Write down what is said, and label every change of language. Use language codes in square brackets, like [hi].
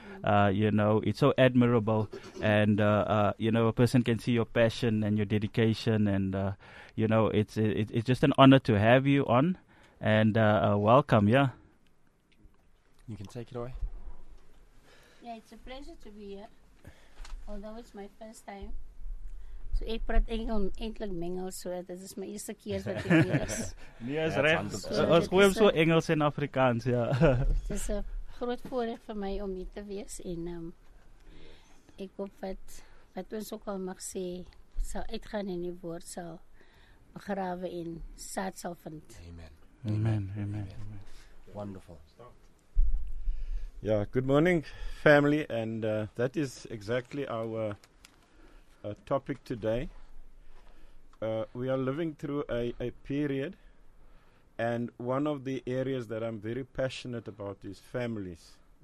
[en] It's so admirable, and a person can see your passion and your dedication, and it's just an honor to have you on, and welcome. Yeah, you can take it away. Yeah, it's a pleasure to be here, although it's my first time. [af] So ek praat eintlik Engels, so dit is my eerste keer wat ek hier is. Nee, is reg. Ons hoor so Engels en Afrikaans, ja. Dis 'n groot voorreg vir my om hier te wees, en ek hoop wat ons ook al mag sê, sal uitgaan in die woord, sal begrawe en saad sal vind. [en] Amen. Wonderful. Yeah, good morning, family, and that is exactly our topic today. We are living through a period, and one of the areas that I'm very passionate about is families.